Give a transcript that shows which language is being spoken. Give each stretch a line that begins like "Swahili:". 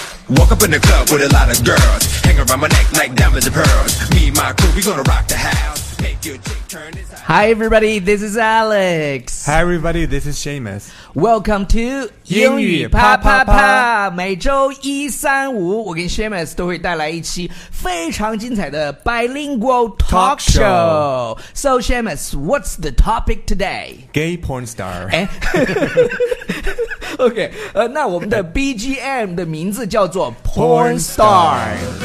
English: Walk up in the club with a lot of girls. Hang around my neck like diamonds and pearls. Me and my crew, we gonna rock the house. Make your chick turn his eyes. Hi everybody, this is Alex. Hi everybody, this is Seamus. Welcome to
Chinese: 英语啪啪啪，每周一三五，我跟 Seamus 都会带来一期非常精彩的
English: bilingual talk show。 So Seamus, what's the topic today? Gay porn star.
Chinese: OK， 那我们的 BGM 的名字叫做 porn star。